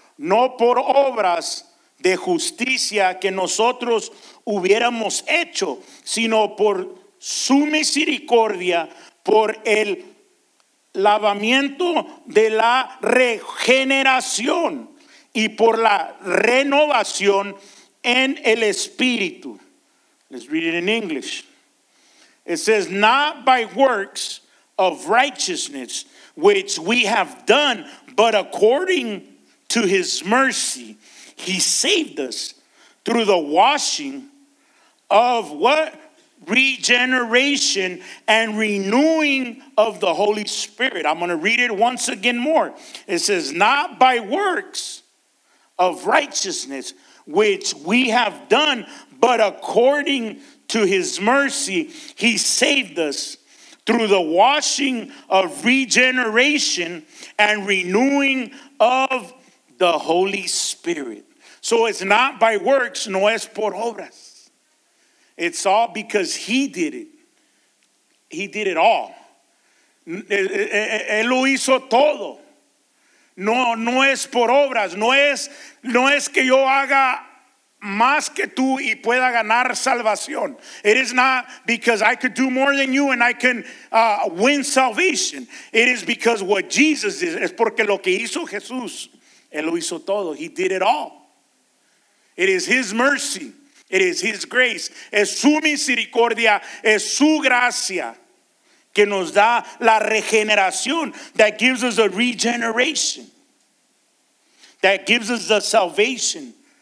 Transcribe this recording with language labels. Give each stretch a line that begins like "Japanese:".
Spanish: no por obras de justicia que nosotros hubiéramos hecho, sino por su misericordia, por el lavamiento de la regeneración y por la renovación en el espíritu.
English: Let's read it in English. It says, not by works of righteousness which we have done, but according to his mercy, he saved us through the washing of what? Regeneration and renewing of the Holy Spirit. I'm going to read it once again more. It says, not by works of righteousness which we have done, but according to his mercy, he saved us through the washing of regeneration and renewing of the Holy Spirit. So it's not by works,
Spanish: no es por obras.
English: It's all because he did it. He did it all.
Spanish: Él lo hizo todo. No es por obras. No es que yo haga más que tú y pueda ganar salvación.
English: It is not because I could do more than you and I can win salvation. It is because what Jesus did.
Spanish: Es porque lo que hizo Jesús, él lo hizo todo.
English: He did it all. It is his mercy. It is his grace.
Spanish: Es su misericordia. Es su gracia que nos da la regeneración.
English: That gives us a regeneration. That gives us the salvation.